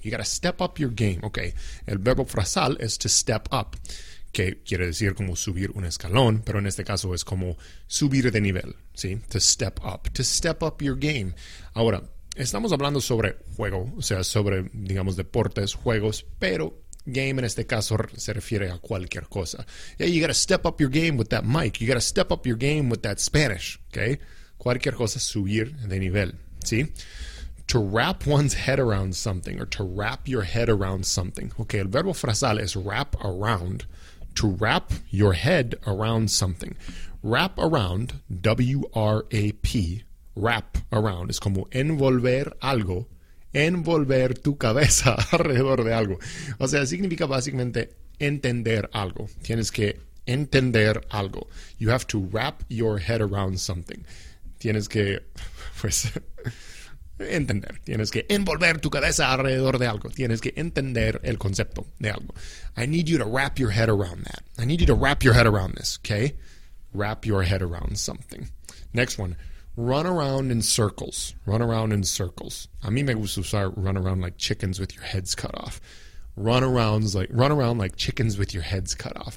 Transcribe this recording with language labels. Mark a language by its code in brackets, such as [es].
[en] You gotta step up your game. [es] Okay, el verbo frasal es to step up, que quiere decir como subir un escalón, pero en este caso es como subir de nivel, ¿sí? To step up. [en] To step up your game. [es] Ahora, estamos hablando sobre juego, o sea, sobre, digamos, deportes, juegos, pero game en este caso se refiere a cualquier cosa. [en] Yeah, you gotta step up your game with that mic. You gotta step up your game with that Spanish, okay? [es] Cualquier cosa, subir de nivel, ¿sí? [en] To wrap one's head around something, or to wrap your head around something. Okay, [es] el verbo frasal es [en] wrap around. To wrap your head around something. [es] Wrap around, W-R-A-P, wrap around, es como envolver algo, envolver tu cabeza alrededor de algo. O sea, significa básicamente entender algo. Tienes que entender algo. [en] You have to wrap your head around something. [es] Tienes que, pues, entender. Tienes que envolver tu cabeza alrededor de algo. Tienes que entender el concepto de algo. [en] I need you to wrap your head around that. I need you to wrap your head around this, okay? Wrap your head around something. Next one. Run around in circles. Run around in circles. A mí me gusta usar run around like chickens with your heads cut off. Run around like chickens with your heads cut off.